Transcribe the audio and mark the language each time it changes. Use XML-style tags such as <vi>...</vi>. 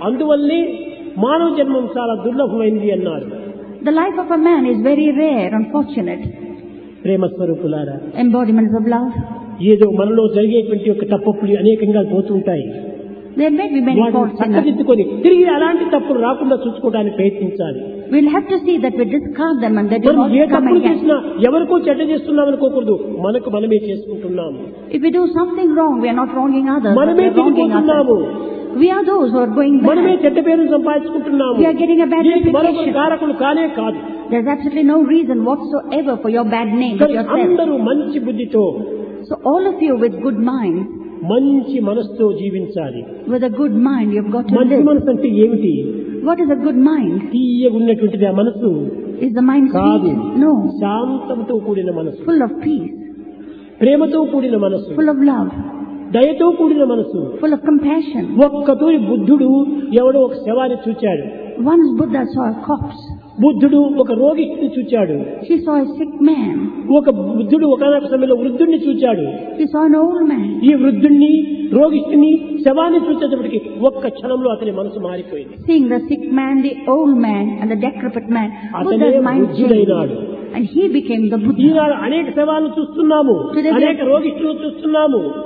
<te>Anduvalle మానవ జన్మం చాలా దుర్లభమైంది అన్నారు.</te> <en>The life of a man is very rare and fortunate.</en> <te>ప్రేమ స్వరూపులారా,</te> <en>embodiments of love.</en> <te>ఏదో మనలో జరిగేటువంటి ఒక తప్పులు అనేకంగా పోతూ ఉంటాయి.</te> <en>There may be many faults.</en> <te>చక్కదిద్దుకొని తిరిగి అలాంటి తప్పులు రాకుండా చూసుకోవడానికి ప్రయత్నించాలి.</te> <en>We'll have to see that we discard them and that we don't come again.</en> <te>Krishna ఎవరికో చెడ్డ చేస్తున్నాం అనుకోకూడదు, మనకు మనమే చేసుకుంటున్నాం.</te> <en>If we do something wrong, we are not wronging others.</en> <te>మనమే తిరిగిపోతున్నాము.</te> <en>We are those who are going bad.</en> <te>మనమే చెడ్డ పేరు సంపాదించుకుంటున్నాము.</te> <en>We are getting a bad reputation.</en> <te>మనం కారకులు కానే కాదు.</te> <en>There's absolutely no reason whatsoever for your bad name or your sin.</en> <te>అందరూ మంచి బుద్ధితో,</te> <en>so all of you with good mind,</en> <te>మంచి మనస్తో జీవించాలి.</te> <en>With a good mind you've got to</en> <te>మంచి</te> <en>live.</en> <te>మనసు అంటే ఏమిటి?</te> <en>What is a good mind?</en> <te>తీయగున్నటువంటిది ఆ మనసు.</te> <en>Is the mind</en> <te>కాదు.</te> <en>No.</en> <te>శాంతముతో కూడిన మనసు.</te> <en>Full of peace.</en> <te>ప్రేమతో కూడిన మనసు.</te> <en>Full of love.</en> <te>దయతో కూడిన మనసు.</te> <en>Full of compassion.</en> <te>ఒక్కతూరి బుద్ధుడు ఎవడో ఒక శవాన్ని చూచాడు.</te> <en>Once Buddha saw a corpse.</en> <te>బుద్ధుడు ఒక రోగిని చూచాడు.</te> <en>He saw a sick man.</en> <te>ఒక బుద్ధుడు ఒకనొక సమయంలో వృద్ధుణ్ణి చూచాడు.</te> <en>He saw an old man.</en> <te>ఈ వృద్ధుణ్ణి రోగిని శవాన్ని చూసేటప్పటికి ఒక్క క్షణంలో అతని మనసు మారిపోయింది.</te> <en>Seeing the sick man, the old man and the decrepit man, Buddha's mind changed. And he became the Buddha.</en> <te>ఈనాడు అనేక శవాలను చూస్తున్నాము, అనేక రోగిని చూస్తున్నాము.</te>